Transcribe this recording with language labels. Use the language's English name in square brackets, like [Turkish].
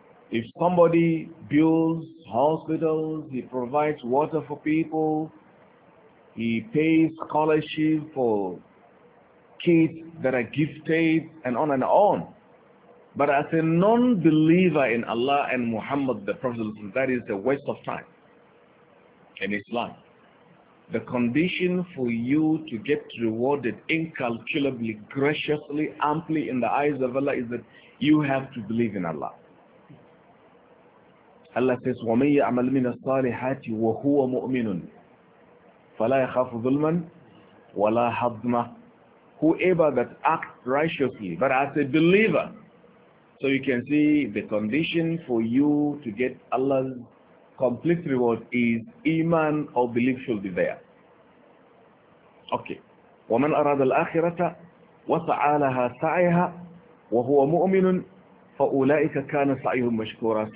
[English] If somebody builds hospitals, he provides water for people, he pays scholarship for kids that are gifted, and on, but as a non-believer in Allah and Muhammad, the Prophet, that is a waste of time in Islam. The condition for you to get rewarded incalculably, graciously, amply in the eyes of Allah is that you have to believe in Allah. Allah says, [Arabic] وَمَنْ يَعْمَلْ مِنَ الصَّالِحَاتِ وَهُوَ مُؤْمِنٌ فَلَا يَخَافُ ظُلْمًا وَلَا هَضْمًا. [English] Whoever that acts righteously, but as a believer. So you can see the condition for you to get Allah's complete reward is iman or belief should be there. Okay. [Arabic] وَمَنْ أَرَادَ الْآخِرَةَ وَسَعَالَهَا سَعِيهَا وَهُوَ مُؤْمِنٌ فَأُولَٰئِكَ كَانَ سَعِيهُمْ مَشْكُورًا.